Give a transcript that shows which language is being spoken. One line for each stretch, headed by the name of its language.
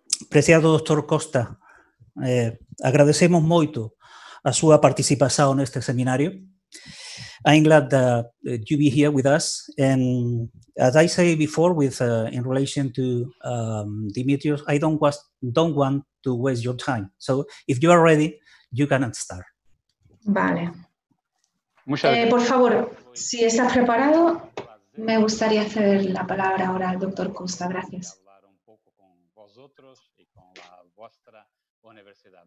Galician: Preciado doctor Costa, agradecemos moito a súa participación neste seminario.
English: I'm glad that you be here with us. And as I say before, with in relation to Dimitrios, I don't want to waste your time. So if you are ready, you can start.
Spanish: Vale. Por favor, si estás preparado, me gustaría ceder la palabra ahora al doctor Costa. Gracias. Hablar un poco con vosotros y con la vuestra universidad.